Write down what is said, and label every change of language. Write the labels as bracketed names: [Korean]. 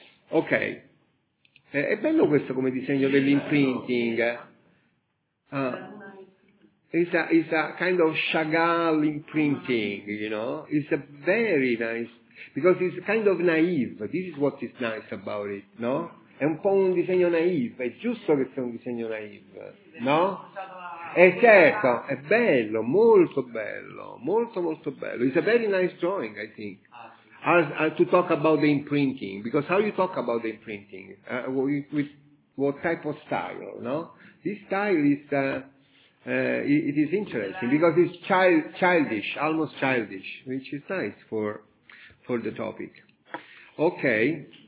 [Italian] Okay, è bello questo come disegno dell'imprinting. [English] It's a kind of Chagall imprinting, you know. It's a very nice because it's kind of naive. This is what is nice about it, no? [Italian] È un po' un disegno naive. È giusto che sia un disegno naive, no? Certo, è bello, molto bello, molto molto bello. [English] It's a very nice drawing, I think. To talk about the imprinting, because how you talk about the imprinting? With what type of style, no? This style is, it is interesting, because it's childish, almost childish, which is nice for the topic. Okay.